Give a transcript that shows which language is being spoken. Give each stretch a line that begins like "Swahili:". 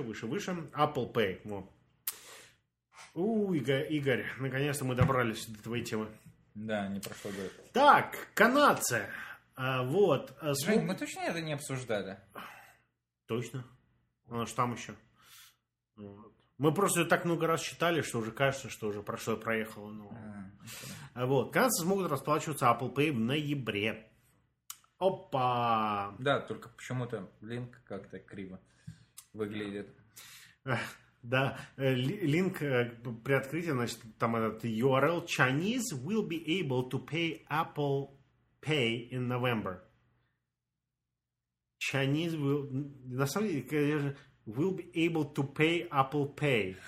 Russian: Apple Pay, вот. Игорь, наконец-то мы добрались до твоей темы. Да, не прошло год. Так, канадцы. Вот. Жень, мы точно это не обсуждали? Точно. Она же там еще. Вот. Мы просто ее так много раз считали, что уже кажется, что уже прошло и проехало. Но... Вот. Канадцы смогут расплачиваться Apple Pay в ноябре. Опа! Да, только почему-то линк как-то криво выглядит. Да, линк при открытии, значит, там этот URL.
English: Chinese will be able to pay Apple Pay in November. Chinese will...
Russian: На самом деле, конечно же,
English: will be able to pay Apple Pay.